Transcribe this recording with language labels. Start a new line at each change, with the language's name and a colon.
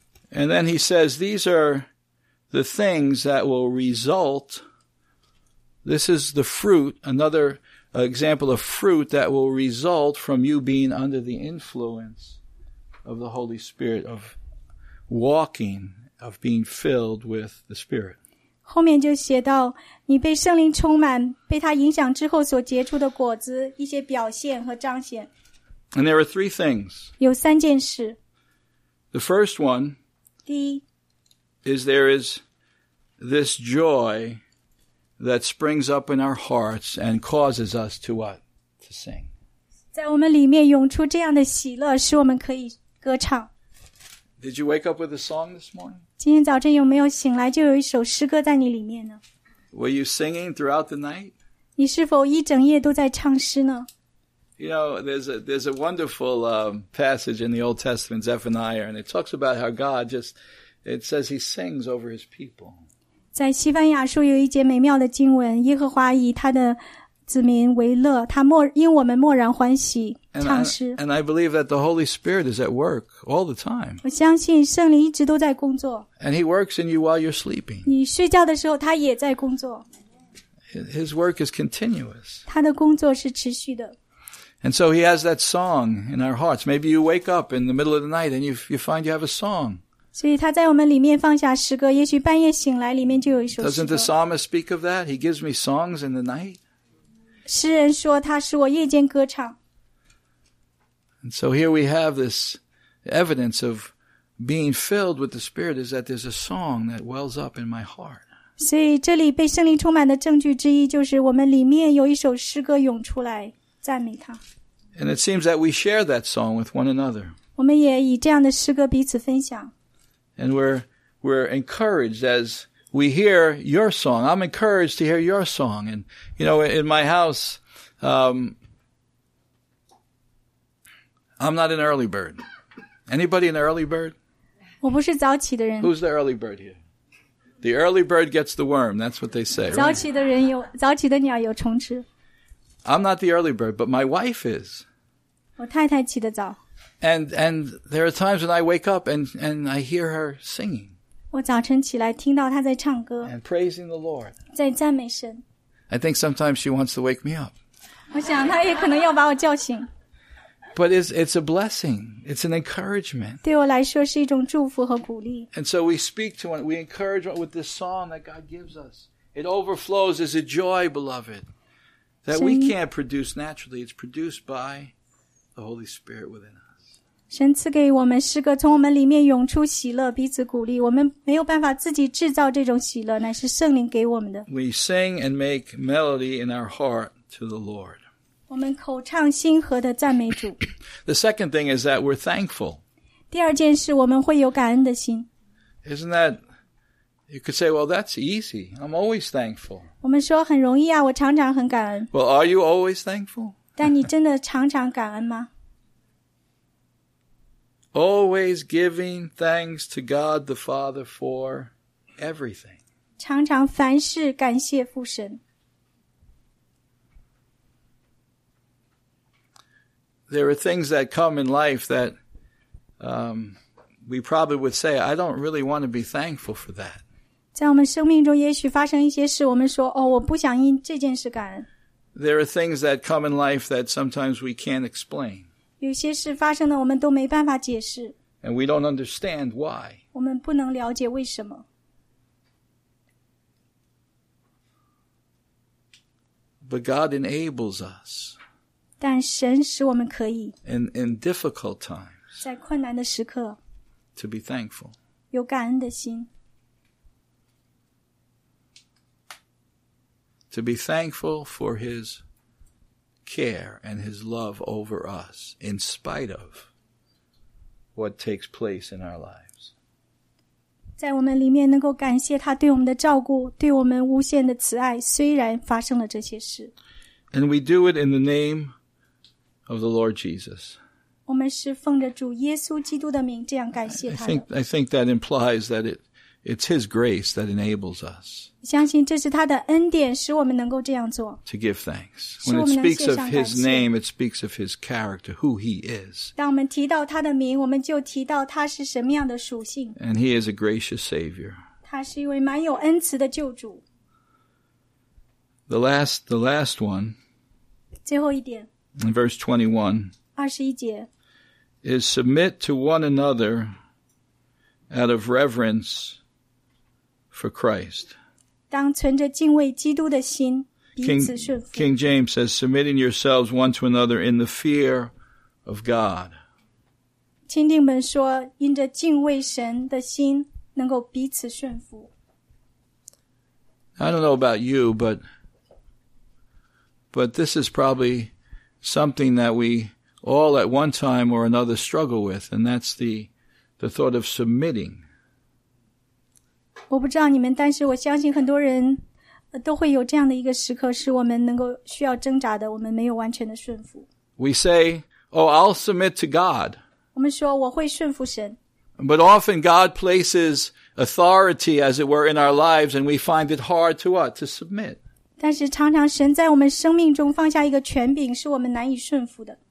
English: And then he says, these are the things that will resultThis is the fruit, another example of fruit that will result from you being under the influence of the Holy Spirit, of walking, of being filled with the Spirit.
Chinese: 后面就写到你被圣灵充满被他影响之后所结出的果子一些表现和彰显。
English: And there are three things.
Chinese: 有三件事。
English: The first one.
Chinese: 第一。
English: Is there is this joy. That springs up in our hearts and causes us to what? To sing.
Chinese: 在我们里面涌出这样的喜乐使我们可以歌唱。
English: Did you wake up with a song this morning?
Chinese: 今天早晨有没有醒来就有一首诗歌在你里面呢?
English: Were you singing throughout the night?
Chinese: 你是否一整夜都在唱诗呢?
English: You know, there's a wonderful passage in the Old Testament, Zephaniah, and it talks about how God just, it says he sings over his people.
Chinese: 在西班牙书有一节美妙的经文耶和华以他的子民为乐他默因我们默然欢喜唱诗
English: and I believe that the Holy Spirit is at work all the time
Chinese: 我相信圣灵一直都在工作
English: and he works in you while you're sleeping
Chinese: 你睡觉的时候他也在工作
English: his work is continuous
Chinese: 他的工作是持续的
English: and so he has that song in our hearts maybe you wake up in the middle of the night and you find you have a song
Chinese: 所以他在我们里面放下诗歌也许半夜醒来里面就有一首诗歌
English: Doesn't the psalmist speak of that? He gives me songs in the night
Chinese: 诗人说他使我夜间歌唱
English: And so here we have this evidence of being filled with the Spirit is that there's a song that wells up in my heart
Chinese: 所以这里被圣灵充满的证据之一就是我们里面有一首诗歌涌出来赞美他。
English: And it seems that we share that song with one another.
Chinese: 我们也以这样的诗歌彼此分享。
English: And we're encouraged as we hear your song. I'm encouraged to hear your song. And, you know, in my house, I'm not an early bird. Anybody an early bird?
Chinese: 我不是早起的人。
English: Who's the early bird here? The early bird gets the worm. That's what they say.
Chinese: 早起的人有，早起的鸟有虫吃。
English: I'm not the early bird, but my wife is.
Chinese: 我太太起得早。
English: And there are times when I wake up and I hear her singing.
Chinese: 我早晨起来听到她在唱歌。
English: And praising the Lord.
Chinese: 在赞美神。
English: I think sometimes she wants to wake me up.
Chinese: 我想她也可能要把我叫醒。
English: But it's a blessing. It's an encouragement.
Chinese: 对我来说是一种祝福和鼓励。
English: And so we speak to one, we encourage one with this song that God gives us. It overflows as a joy, beloved, that we can't produce naturally. It's produced by the Holy Spirit within us.
Chinese: 神赐给我们诗歌，从我们里面涌出喜乐，彼此鼓励。我们没有办法自己制造这种喜乐，乃是圣灵给我们的。
English: We sing and make melody in our heart to the Lord.
Chinese: 我们口唱心和的赞美主。
English: The second thing is that we're thankful.
Chinese: 第二件事，我们会有感恩的心。
English: Isn't that, you could say, well, that's easy. I'm always thankful.
Chinese: 我们说很容易啊，我常常很感恩。
English: Well, are you always thankful?
Chinese: 但你真的常常感恩吗？
English: Always giving thanks to God the Father for everything.
Chinese: 常常凡事感谢父神。
English: There are things that come in life that we probably would say, I don't really want to be thankful for that.
Chinese: 在我们生命中也许发生一些事，我们说，哦，我不想因这件事感恩。
English: There are things that come in life that sometimes we can't explain.
Chinese: 有些事发生了，我们都没办法解释。
English: And we don't understand why.
Chinese: 我们不能了解为什么。
English: But God enables us.
Chinese: 但神使我们可以
English: in difficult times,
Chinese: 在困难的时刻
English: to be thankful,
Chinese: 有感恩的心
English: to be thankful for his care and his love over us in spite of what takes place in our lives.
Chinese: 在我们里面能够感谢他对我们的照顾，对我们无限的慈爱，虽然发生了这些事。
English: And we do it in the name of the Lord Jesus.
Chinese: 我们是奉着主耶稣基督的名这样感谢他。
English: I think that implies that it's his grace that enables us.
Chinese: 相信这是他的恩典使我们能够这样做。
English: To give thanks. When it speaks of his name, it speaks of his character, who he is.
Chinese: 当我们提到他的名，我们就提到他是什么样的属性。
English: And he is a gracious savior.
Chinese: 他是一位满有恩慈的救主。
English: The last one.
Chinese: 最后一点。
English: In verse 21,
Chinese: 21节,
English: is submit to one another out of reverence for Christ.
Chinese: 当存着敬畏基督的心, 彼此顺服。
English: King James says, submitting yourselves one to another in the fear of God.
Chinese: 钦定本说, 因着敬畏神的心, 能够彼此顺服。
English: I don't know about you, but this is probably... something that we all at one time or another struggle with, and that's the thought of submitting.
Chinese: 我不知道你们，但是我相信很多人都会有这样的一个时刻，是我们能够需要挣扎的，我们没有完全的顺服。
English: We say, oh, I'll submit to God.
Chinese: 我们说我会顺服神。
English: But often God places authority, as it were, in our lives, and we find it hard to what? To submit.
Chinese: 但是常常神在我们生命中放下一个权柄，是我们难以顺服的。